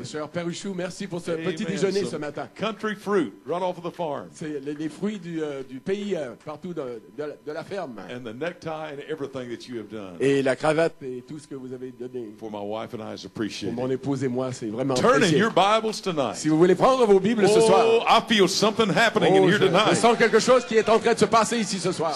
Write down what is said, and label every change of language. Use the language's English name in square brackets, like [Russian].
[French] Monsieur Parachute, merci pour ce petit déjeuner ce matin. [English] Country fruit, right off of the farm. [French] C'est les fruits du pays partout de la ferme. [English] And the necktie and everything that you have done. [French] Et la cravate et tout ce que vous avez donné. [English] For my wife and I is appreciated. [French] Pour mon épouse et moi, c'est vraiment apprécié. [English] Turning your Bibles tonight. [French] Si vous voulez prendre vos Bibles ce soir. [English] Oh, I feel something happening in here tonight. [French] Je sens quelque chose qui est en train de se passer ici ce soir.